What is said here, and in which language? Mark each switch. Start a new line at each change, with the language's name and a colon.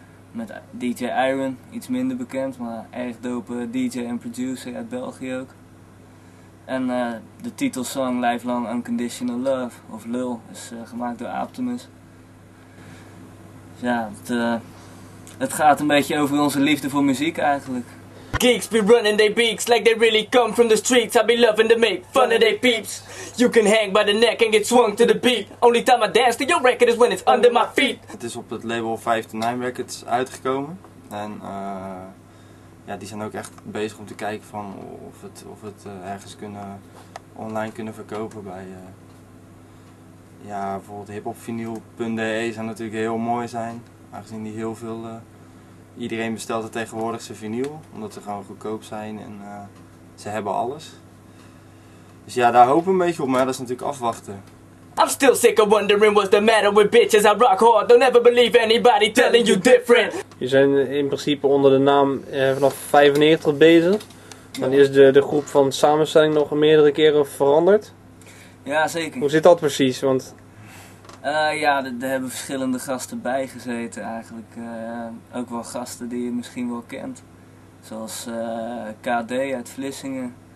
Dutch: Met DJ Iron, iets minder bekend, maar erg dope DJ en producer uit België ook. En de titelsong Lifelong Unconditional Love, of Lul, is gemaakt door Optimus. Dus ja, het gaat een beetje over onze liefde voor muziek eigenlijk.
English: Geeks be running they beaks like they really come from the streets. I be loving to make fun of they peeps. You can hang by the neck and get swung to the beat. Only time I dance to your record is when it's under my feet.
Dutch: Het is op het label 529 Records uitgekomen. En ja, die zijn ook echt bezig om te kijken van of het ergens kunnen online kunnen verkopen bij ja, bijvoorbeeld hiphopvinyl.de zou natuurlijk heel mooi zijn, aangezien die heel veel. Iedereen bestelt er tegenwoordig zijn vinyl, omdat ze gewoon goedkoop zijn en ze hebben alles. Dus ja, daar hopen we een beetje op, maar dat is natuurlijk afwachten.
English: I'm still sick of wondering what's the matter with bitches. I rock hard, don't ever believe anybody telling you different.
Dutch: Je zijn in principe onder de naam vanaf 95 bezig. Dan is de groep van samenstelling nog meerdere keren veranderd. Ja, zeker. Hoe zit dat precies? Want ja, er hebben verschillende gasten bij gezeten eigenlijk. Ook wel gasten die je misschien wel kent. Zoals KD uit Vlissingen.